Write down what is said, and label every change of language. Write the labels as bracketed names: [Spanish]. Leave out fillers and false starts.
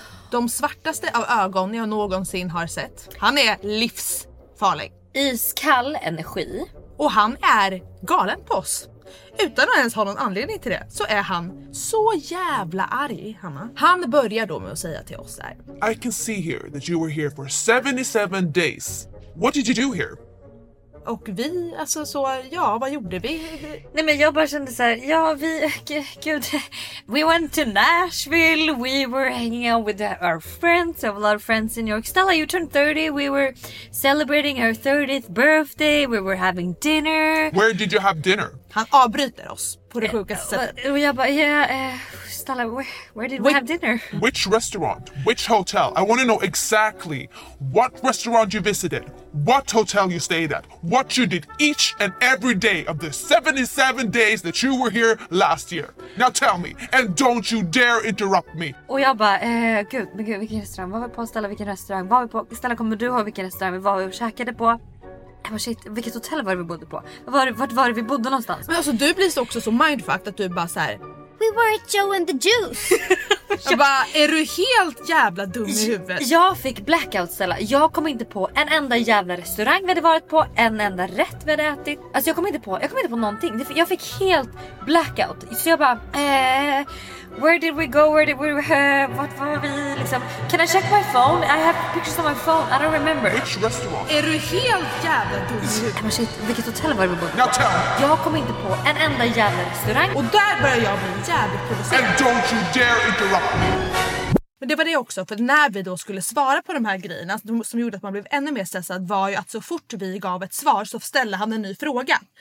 [Swedish] De svartaste av ögon jag någonsin har sett. Han är livsfarlig. Iskall energi. Och han är galen på oss. Utan att ens ha någon anledning till det, så är han så jävla arg, Hanna. Han börjar då med att säga till oss där: [English] I can see here that you were here for 77 days. What did you do here? [Swedish] Och vi, alltså så, ja, vad gjorde vi? Nej, men jag bara kände så här, ja, vi, gud, [English] we went to Nashville, we were hanging out with our friends, we have a lot of friends in New York. Stella, you turned 30, we were celebrating our 30th birthday, we were having dinner. Where did you have dinner? [Swedish] Han avbryter oss på det sjukaste sättet. Och jag bara, ja, [English] Stella, where did we have dinner? Which restaurant? Which hotel? I want to know exactly what restaurant you visited, what hotel you stayed at, what you did each and every day of the 77 days that you were here last year. Now tell me, and don't you dare interrupt me. [Swedish] Och jag bara, gud, men gud, vilken restaurang? Var vi på, Stella, vilken restaurang? Var vi på, Stella, kommer du ihåg vilken restaurang? Var vi och käkade på? Shit, vilket hotell var det vi bodde på? Var det vi bodde någonstans? Men alltså, du blir så också så mindfucked att du bara så här: [English] we were at Joe and the Juice. [Swedish] Jag bara, är du helt jävla dum i huvudet? Jag fick blackout, Stella. Jag kom inte på en enda jävla restaurang vi hade varit på, en enda rätt vi hade ätit. Alltså jag kom inte på någonting. Jag fick helt blackout. Så jag bara, [English] where did we go, where did we, what were we, [Swedish] liksom. [English] Can I check my phone? I have pictures on my phone, I don't remember. Which restaurant? [Swedish] Är du helt jävla dum? Men shit, vilket hotell var vi på? [English] Now tell. [Swedish] Jag kom inte på en enda jävla restaurang. Och där börjar jag bli jävligt provocerad. [English] And don't you dare interrupt me. [Swedish] Men det var det också, för när vi då skulle svara på de här grejerna som gjorde att man blev ännu mer stressad, var ju att så fort vi gav ett svar så ställde han en ny fråga.